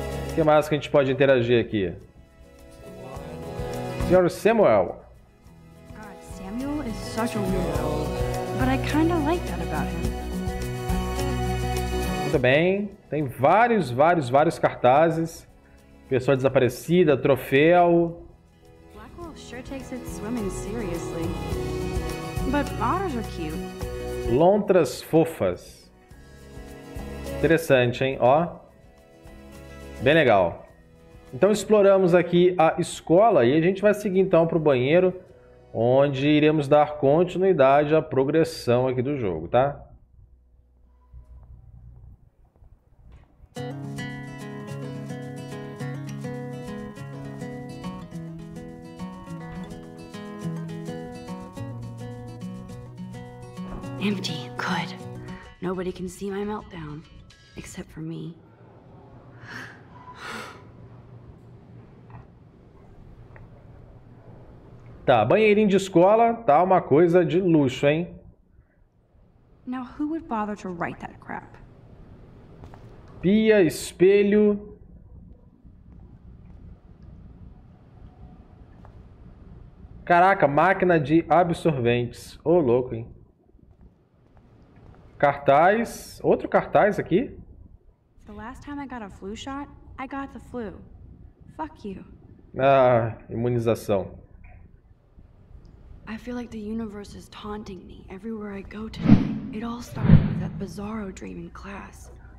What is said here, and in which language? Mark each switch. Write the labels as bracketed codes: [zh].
[pt] O que mais que a gente pode interagir aqui? Senhor Samuel. [en] God, Samuel is such a weirdo, but I kind of like that about him. [pt] Muito bem. Tem vários, vários, vários cartazes. Pessoa desaparecida, troféu. [en] Blackwell sure takes its swimming seriously. But otters are cute. [pt] Lontras fofas. Interessante, hein? Ó. Bem legal. Então exploramos aqui a escola e a gente vai seguir então para o banheiro, onde iremos dar continuidade à progressão aqui do jogo, tá? [en] Empty, good. Nobody can see my meltdown. Except for me. [pt] Tá, banheirinho de escola, tá uma coisa de luxo, hein? [en] Now who would bother to write that crap? [pt] Pia, espelho. Caraca, máquina de absorventes. Ô, louco, hein? Cartaz, outro cartaz aqui. [en] The last time I got a flu shot, I got the flu. Fuck you. [pt] Ah, imunização. [en] I feel like the universe is taunting me everywhere I go today. It all started with that bizarro dream in class.